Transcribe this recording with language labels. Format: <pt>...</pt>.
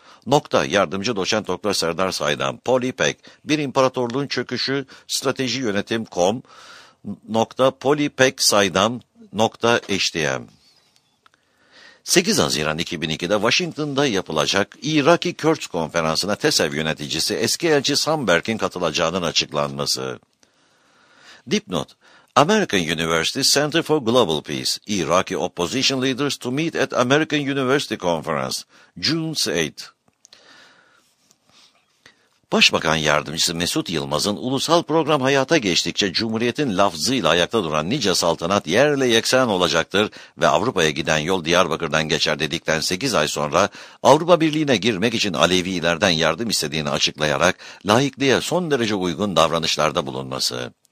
<tr>Nokta, yardımcı doçent Dr. Serdar Saydam, Polipek, bir imparatorluğun çöküşü, strateji yönetim.com, nokta, Polipek Saydam, nokta, HTM. 8 Haziran 2002'de Washington'da yapılacak Iraki Kürt Konferansı'na TESEV yöneticisi eski elçi Sandberg'in katılacağının açıklanması. Dipnot,</tr> <en>American University Center for Global Peace, Iraqi Opposition Leaders to Meet at American University Conference, June 8.</en> <tr>Başbakan Yardımcısı Mesut Yılmaz'ın ulusal program hayata geçtikçe Cumhuriyet'in lafzıyla ayakta duran nice saltanat yerle yeksan olacaktır ve Avrupa'ya giden yol Diyarbakır'dan geçer dedikten 8 ay sonra Avrupa Birliği'ne girmek için Alevilerden yardım istediğini açıklayarak laikliğe son derece uygun davranışlarda bulunması.</tr>